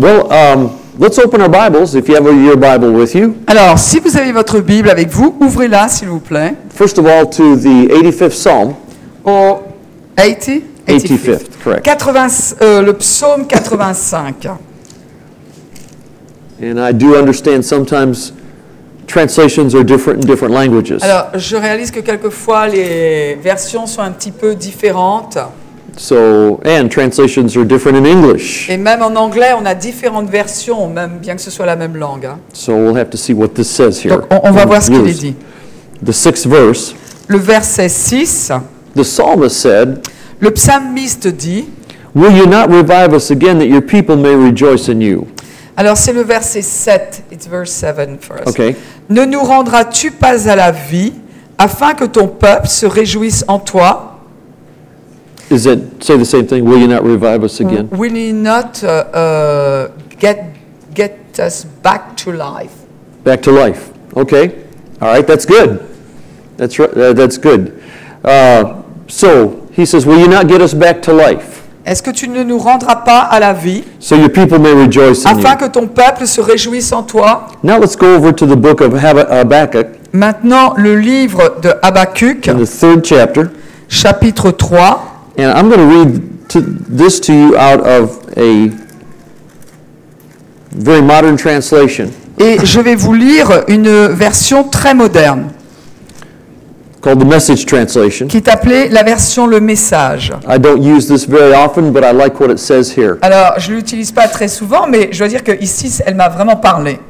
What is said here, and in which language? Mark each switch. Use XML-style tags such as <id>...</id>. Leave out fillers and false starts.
<en>Well, let's open our Bibles if you have your Bible with you.</en> <fr>Alors, si vous avez votre Bible avec vous, ouvrez-la s'il vous plaît.</fr> <en>First of all to the 85th Psalm. Or 85th, correct.</en> <fr>80, le psaume 85.</fr> <en>And I do understand sometimes translations are different in different languages.</en> <fr>Alors, je réalise que quelquefois les versions sont un petit peu différentes.</fr> <en>So, and translations are different in English.</en> <fr>Et même en anglais, on a différentes versions, même bien que ce soit la même langue.</fr> <en>So we'll have to see what this says here.</en> <fr>Donc, on va voir ce qu'il est dit.</fr> <en>The sixth verse.</en> <fr>Le verset 6.</fr> <en>The psalmist said,</en> <fr>le psalmiste dit,</fr> <en>will you not revive us again that your people may rejoice in you?</en> <fr>Alors c'est le verset 7.</fr> <en>It's verse 7 for us. Okay.</en> <fr>Ne nous rendras-tu pas à la vie afin que ton peuple se réjouisse en toi?</fr> <en>Is it say the same thing? Will you not revive us again? Will you not get us back to life? Back to life. Okay. All right. That's good. That's right. That's good. So he says, will you not get us back to life?</en> <fr>Est-ce que tu ne nous rendras pas à la vie?</fr> <en>So your people may rejoice in</en> <fr>afin</fr> <en>you.</en> <fr>Afin que ton peuple se réjouisse en toi.</fr> <en>Now let's go over to the book of Habakkuk.</en> <fr>Maintenant le livre de Habakkuk.</fr> <en>In the third chapter.</en> <fr>Chapitre 3.</fr> <en>And I'm going to read this to you out of a very modern translation.</en> <fr>Et je vais vous lire une version très moderne.</fr> <en>Called the Message Translation.</en> <fr>Qui est appelée la version Le Message.</fr> <en>I don't use this very often, but I like what it says here.</en> <fr>Alors, je l'utilise pas très souvent, mais je dois dire que ici, elle m'a vraiment parlé.</fr>